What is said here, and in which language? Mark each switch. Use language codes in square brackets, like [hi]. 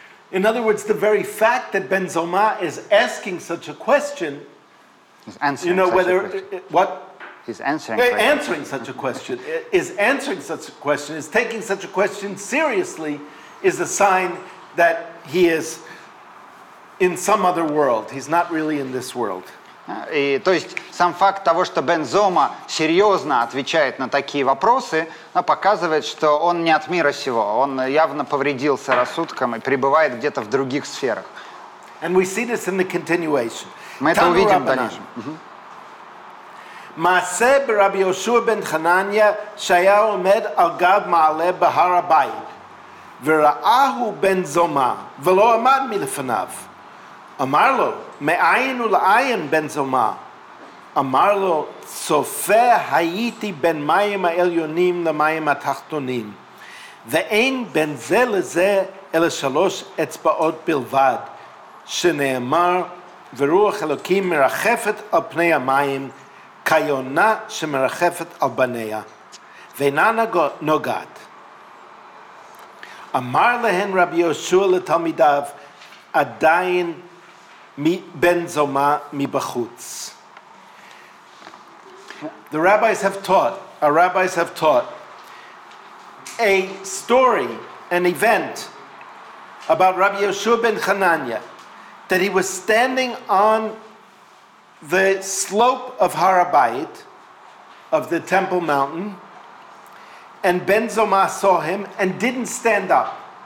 [en] In other words, the very fact that Ben Zoma is asking such a question, you know, whether what he's answering such a question is answering such a question, is taking such a question seriously, is a sign that he is in some other world. He's not really in this world. [ru] И, то есть сам факт того, что Бен Зома серьезно отвечает на такие вопросы, ну, показывает, что он не от мира сего. Он явно повредился рассудком и пребывает где-то в других сферах. [en] And we see this in the continuation. [ru] Мы это увидим в дальнейшем. [he] Маасе Раби Йошуа бен Хананья шая омед аль гав маале бахар ха-байт верааху бен Зома вело амад милефанав. אמר לו, מאין ולאין בן זומא? אמר לו, צופה הייתי בין מים העליונים למים התחתונים. ואין בין זה לזה אלא שלוש אצבעות בלבד, שנאמר, ורוח אלוקים מרחפת על פני המים, כיונה שמרחפת על בניה, ואינה נוגעת. אמר להן רבי יהושע לתלמידיו, עדיין בן זומא מבחוץ. [en] The rabbis have taught, a story, an event about Rabbi Yehoshua ben Hananya, that he was standing on the slope of Har HaBayit, of the Temple Mountain, and Ben Zoma saw him and didn't stand up.